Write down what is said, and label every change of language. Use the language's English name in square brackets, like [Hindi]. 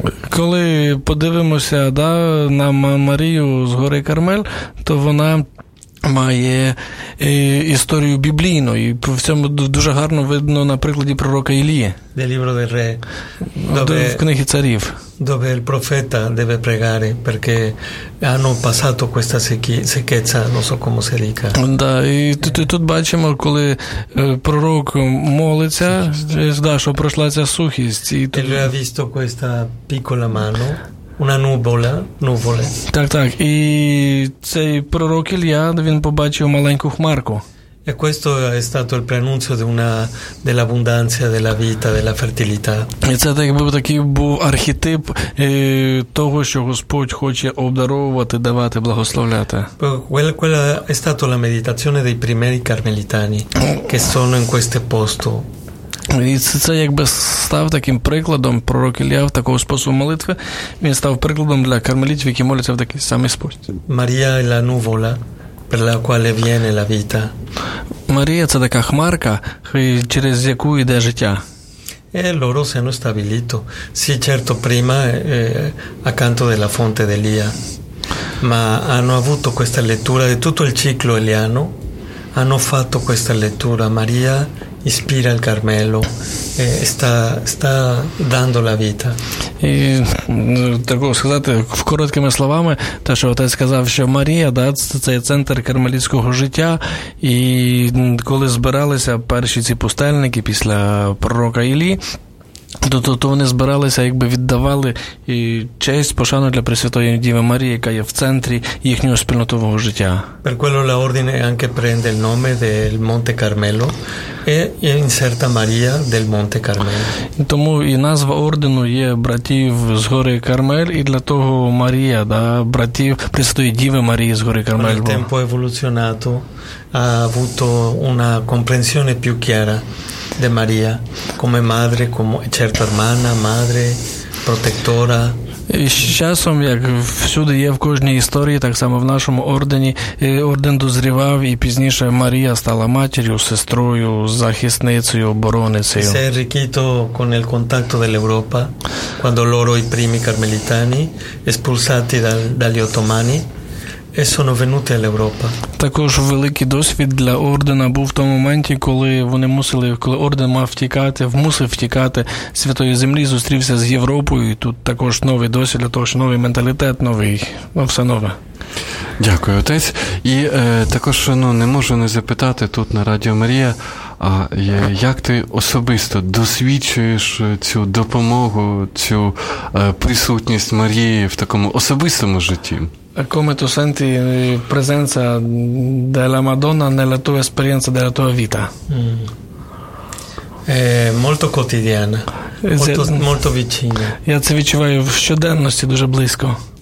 [Ukrainian] Коли подивимося, да, на Марію з гори Кармель, то вона має історію біблійну, і в цьому дуже гарно видно на прикладі пророка Ілії. [Italian] Де Libro del Re. [Ukrainian] В книги царів. [Italian] Dove il profeta deve pregare, perché hanno passato questa sequezza, non so come si dica. [Ukrainian] Да, і тут бачимо, коли пророк молиться, да, що пройшла ця сухість. І тут [Italian] ha visto questa piccola mano. Una nuvola. [Ukrainian] Так. І цей пророк Ілія, він побачив маленьку хмарку. [Italian] E questo è stato il preannuncio di una dell'abbondanza della vita, della fertilità. [Ukrainian] І це такий був архетип того, що Господь хоче обдаровувати, давати, благословляти. [Italian] Quella è stata la meditazione dei primi carmelitani che sono in questo posto. [Ukrainian] І це якби став таким прикладом, пророк Ілія в такого способу молитви, він став прикладом для кармелітів, які моляться в такий самий спосіб. [Italian] Марія – la nuvola per la quale viene la vita. [Ukrainian] Марія – це така хмарка, через яку йде життя. [Italian] E loro si hanno stabilito. Sì, certo, prima accanto della fonte d'Elia, ma hanno avuto questa lettura di tutto il ciclo eliano hanno fatto questa lettura. Maria ispira il Carmelo e sta dando la vita. [Ukrainian] І таку сказати короткими словами, те, що отець сказав, що Марія, да, це центр кармелітського життя. І коли збиралися перші ці пустельники після пророка Іллі, то вони збиралися, якби віддавали і честь, пошану для Пресвятої Діви Марії, яка є в центрі їхнього спільнотового життя. [Italian] Per quello la ordine anche prende il nome del Monte Carmelo e inserta Maria del Monte Carmelo. [Ukrainian] Тому і назва ордену є братів з гори Кармель, і для того Марія, да, братів Пресвятої Діви Марії з гори Кармель. [Italian] Il tempo è evoluzionato, ha avuto una comprensione più chiara di Maria come madre, come certa hermana, madre protettora. [Ukrainian] І з часом, як всюди є в кожній історії, так само в нашому ордені, орден дозрівав, і пізніше Марія стала матір'ю, сестрою, захисницею, оборонницею. [Italian] Si è arricchito con il contatto dell'Europa quando loro i primi carmelitani espulsati dagli ottomani e sono venuti all'Europa. [Ukrainian] Також великий досвід для ордена був в тому моменті, коли вони мусили, коли орден мав втікати, мусив втікати з Святої Землі, зустрівся з Європою, і тут також новий досвід для того, що новий менталітет, новий, ну, все нове. Дякую, отець. І також, ну, не можу не запитати тут на Радіо Марія, а як ти особисто досвідчуєш цю допомогу, цю присутність Марії в такому особистому житті? [Italian] Come tu senti presenza della Madonna nella tua esperienza, della tua vita? È molto quotidiana, molto, molto vicina. [Ukrainian] Я це відчуваю в щоденності, дуже близько.